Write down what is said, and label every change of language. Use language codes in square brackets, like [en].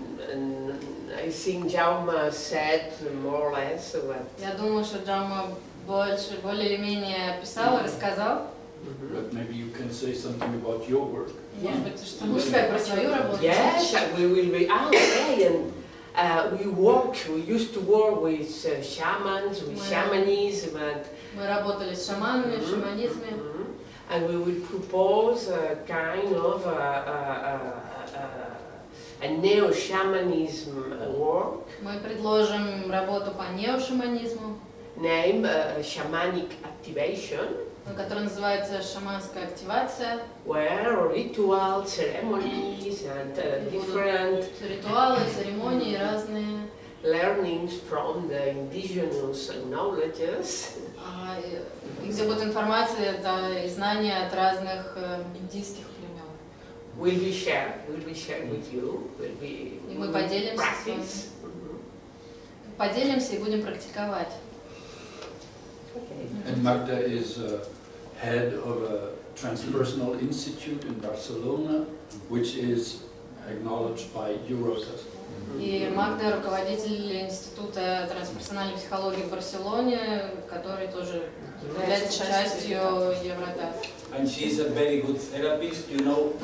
[en] And I think Jaume said more or less what. [ru] Я думаю, что Jaume более или менее описал, рассказал. [en] But maybe you can say something about your work. Yes, we will be okay. And we used to work with shamans, with shamanism, and [ru] мы работали с шаманами, шаманизме. [en] And we will propose a kind of a neo shamanism work. [ru] Мы предложим работу по нео шаманизму. [en] Name shamanic activation. [ru] Которая называется шаманская активация. [en] Where rituals, ceremonies and different [ru] ритуалы, церемонии разные. [en] Learnings from the indigenous knowledges. [ru] Где будет информация, это и знания от разных индийских племен. [en] We'll be shared with you. [ru] И мы поделимся с вами. Поделимся и будем практиковать. [en] And Magda is head of a Transpersonal Institute in Barcelona, which is acknowledged by EUROTAS. [ru] И Магда руководитель института трансперсональной психологии в Барселоне, который тоже является частью Евротас. [en] And she's a very good therapist, you know.